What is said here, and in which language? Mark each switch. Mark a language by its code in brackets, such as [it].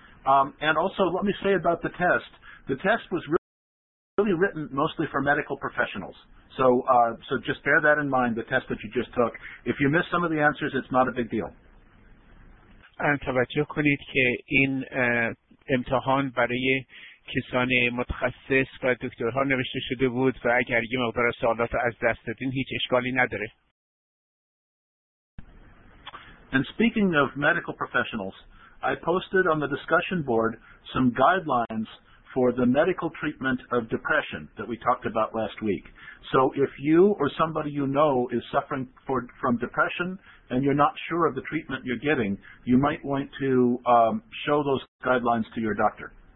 [en] And also, let me say about the test. The test was really written mostly for medical professionals. So just bear that in mind, the test that you just took. If you miss some of the answers, it's not a big deal. [fa] توجه کنید که این امتحان برای کسان متخصص و دکترها نوشته شده بود و اگر یه مقدار سوالات از دست دادین هیچ اشکالی نداره. [en] And speaking of medical professionals, I posted on the discussion board some guidelines for the medical treatment of depression that we talked about last week. So if you or somebody you know is suffering from depression and you're not sure of the treatment you're getting, you might want to show those guidelines to your doctor.